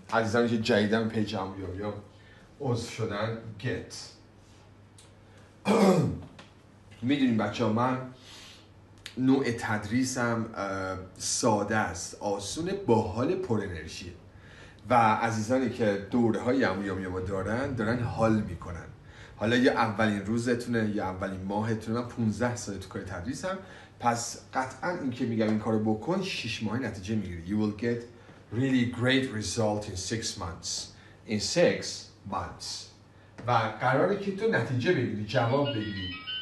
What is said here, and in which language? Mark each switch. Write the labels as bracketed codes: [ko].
[fa] عزیزانی که جدیدن به پیجم یام یام عضو شدن، گت میدونیم بچه ها، من نوع تدریسم ساده است، آسونه، باحال، پر انرژیه و عزیزانی که دوره های یومیومی ما دارن حال میکنن. حالا یا اولین روزتونه یا اولین ماهتونه، من 15 ساله تو کار تدریسم، پس قطعا این که میگم این کارو بکن 6 ماه نتیجه میگیری. [en] You will get really great result in 6 months. In 6 months. [fa] و قراره که تو نتیجه بگیری، جواب بگیری.